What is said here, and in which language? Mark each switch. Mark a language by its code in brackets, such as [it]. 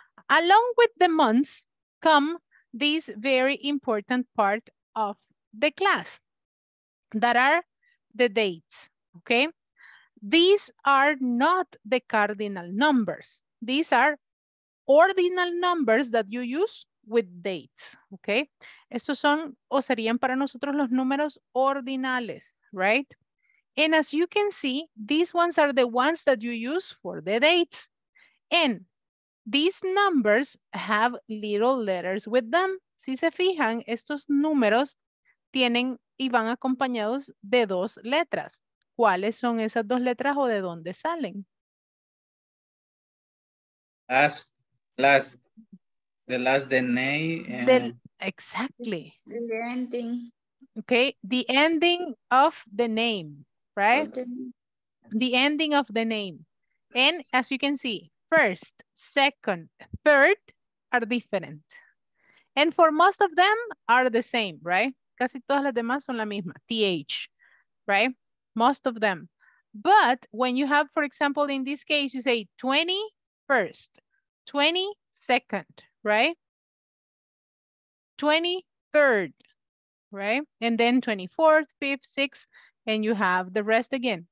[en] Along with the months come this very important part of the class, that are the dates, okay? These are not the cardinal numbers. These are ordinal numbers that you use with dates, okay? [es] Estos son, o serían para nosotros los números ordinales, right? [en] And as you can see, these ones are the ones that you use for the dates. And these numbers have little letters with them. [es] Si se fijan, estos números tienen y van acompañados de dos letras. ¿Cuáles son esas dos letras o de dónde salen? [en] Last, the last, the name. And... Exactly. The ending. Okay, the ending of the name, right? The ending of the name. And as you can see, first, second, third are different. And for most of them are the same, right? [es] Casi todas las demás son la misma, TH, right? [en] Most of them. But when you have, for example, in this case, you say 21st. 22nd, right? 23rd, right? And then 24th, 5th, 6th, and you have the rest again.